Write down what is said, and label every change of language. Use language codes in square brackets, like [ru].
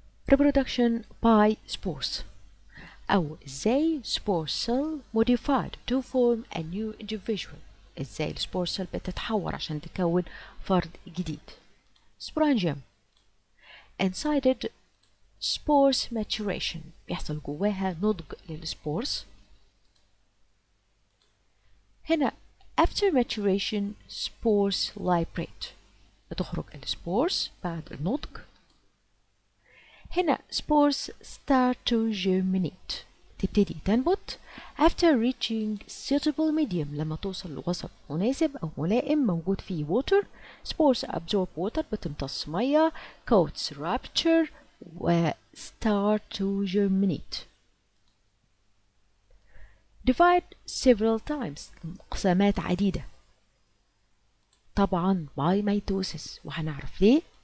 [en] Reproduction by spores [ar] أو إزاي [en] spore cell modified to form a new individual. [ar] إزاي spore cell بتتحور عشان تكون فرد جديد. [en] Sporangium incited spores maturation [ar] بيحصل جواها نضج للسبورز. هنا [en] after maturation spores liberate [ar] بتخرج السبورز بعد النضج. هنا [en] spores start to germinate [ar] تبتدي تنبت [en] after reaching suitable medium [ar] لما توصل لوسط مناسب أو ملائم موجود فيه water. [en] spores absorb water [ar] بتمتص مية. [en] coats rupture و start to germinate. Divide several times [ar] انقسامات عديدة طبعا [en] by mitosis [ar] وهنعرف ليه.